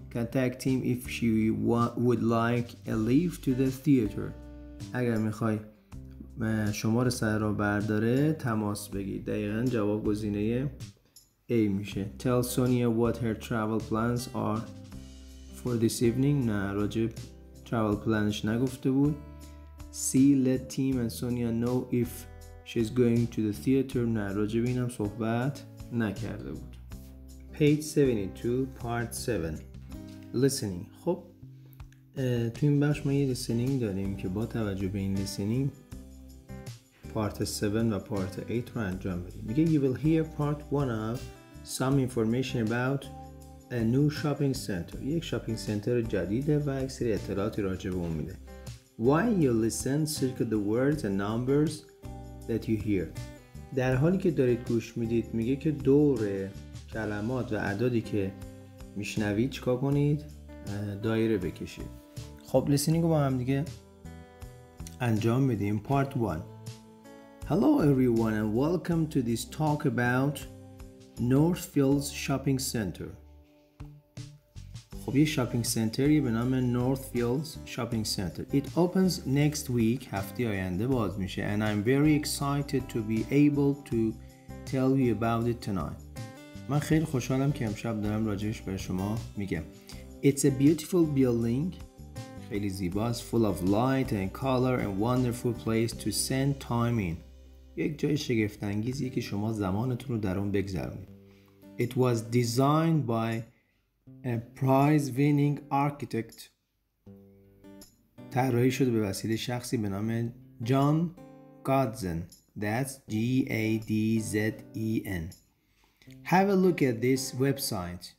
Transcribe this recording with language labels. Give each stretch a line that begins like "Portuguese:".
English: Contact him if she would like a leave to the theater.
Persian: اگر میخوای شماره سر را برداره تماس بگیر. دقیقا جواب گزینه A میشه.
English: Tell Sonia what her travel plans are for this evening.
Persian: نه راجع
English: travel plans
Persian: نگفته بود. C.
English: Let Tim and Sonia know if she's going to the theater.
Persian: نه راجع به اینم صحبت نکرده بود.
English: Page 72, part 7. Listening.
Persian: خب تو این بخش ما یه listening داریم که با توجه به این listening part 7 و part 8 رو انجام بدیم. میگه
English: you will hear part 1 of some information about a new shopping center.
Persian: یک shopping center جدیده و یک سری اطلاعاتی راجع به اون میده.
English: While you listen, circle the words and numbers that you hear.
Persian: در حالی که دارید گوش میدید میگه که دور کلمات و اعدادی که میشنوید چکا کنید دایره بکشید. خب لیسنینگ رو با هم دیگه انجام میدیم.
English: Part 1. Hello everyone and welcome to this talk about Northfield's Shopping Center.
Persian: خب یه شاپینگ سنتری به نام Northfield's Shopping Center.
English: It opens next week,
Persian: هفته آینده باز میشه,
English: and I'm very excited to be able to tell you about it tonight.
Persian: من خیلی خوشحالم که امشب دارم راجعش به شما میگم.
English: It's a beautiful building.
Persian: خیلی زیباست.
English: Full of light and color and wonderful place to spend time in.
Persian: یک جای شگفت انگیزی که شما زمانتون رو در اون بگذرونید.
English: It was designed by a prize winning architect.
Persian: طراحی شده به وسیله شخصی به نام جان گادزن.
English: That's G-A-D-Z-E-N. Have a look at this website.